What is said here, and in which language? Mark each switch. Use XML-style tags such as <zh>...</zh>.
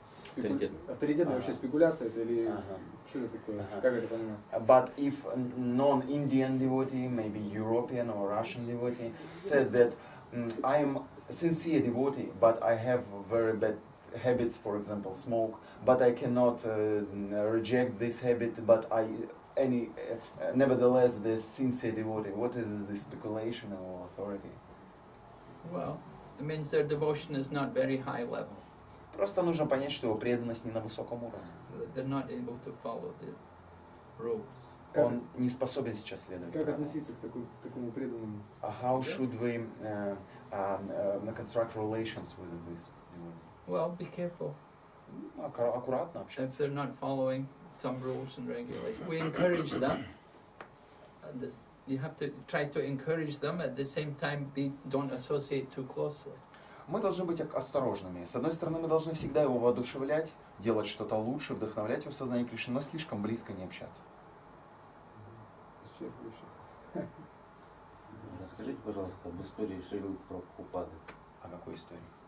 <ru>Авторитетная вообще спекуляция это или что это такое? Как это понимать?</ru> <en>But if non-Indian devotee, maybe European or Russian devotee, said that I am sincere devotee, but I have very bad habits, for example, smoke, but I cannot reject this habit, but I nevertheless, the sincere devotee. What is this speculation or authority? Well, it means their devotion is not very high level.</en> <ru>Просто нужно понять, что его преданность не на высоком уровне.</ru> <en>They're not able to follow the rules.</en> <ru>Он не способен сейчас следовать. Как относиться к такому преданному?</ru> <en>How should we construct relations with this devotee? Well, be careful.</en> <ru>Аккуратно общаться.</ru> <en>If they're not following some rules and regulations, we encourage them. You have to try to encourage them. At the same time, don't associate too closely.</en> <ru>Мы должны быть осторожными. С одной стороны, мы должны всегда его воодушевлять, делать что-то лучше, вдохновлять его в сознании Кришны, но слишком близко не общаться. Расскажите, пожалуйста, об истории Шрилы Прабхупады. О какой истории?</ru>